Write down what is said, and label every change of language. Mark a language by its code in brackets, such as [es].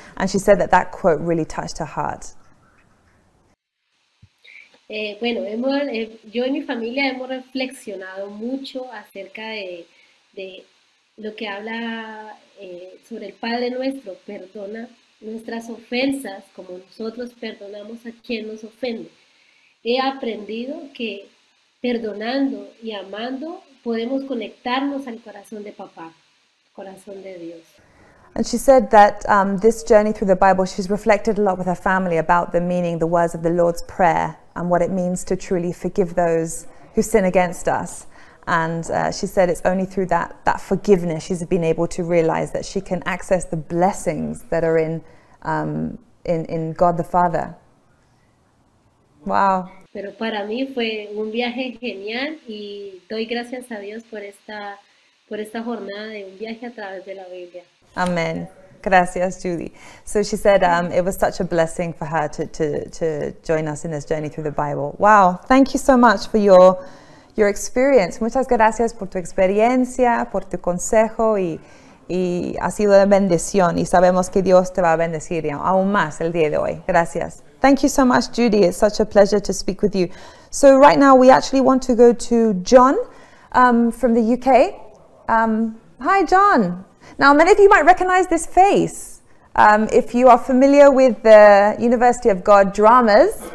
[en] And she said that quote really touched her heart. [es] Yo y mi familia hemos reflexionado mucho acerca de lo que habla sobre el Padre Nuestro, perdona nuestras ofensas como nosotros perdonamos a quien nos ofende. He aprendido que perdonando y amando podemos conectarnos al corazón de papá, corazón de Dios. [en] And she said that this journey through the Bible, she's reflected a lot with her family about the meaning, the words of the Lord's Prayer and what it means to truly forgive those who sin against us. And she said it's only through that forgiveness she's been able to realize that she can access the blessings that are in God the Father. Wow. [es] Pero para mí fue un viaje genial y doy gracias a Dios por esta jornada de un viaje a través de la Biblia. Amen. Gracias, Julie. [en] So she said it was such a blessing for her to join us in this journey through the Bible. Wow. Thank you so much for your experience. [es] Muchas gracias por tu experiencia, por tu consejo y ha sido de bendición y sabemos que Dios te va a bendecir aún más el día de hoy. Gracias. [en] Thank you so much, Judy. It's such a pleasure to speak with you. So right now we actually want to go to John from the UK. Hi, John. Now, many of you might recognize this face if you are familiar with the University of God dramas.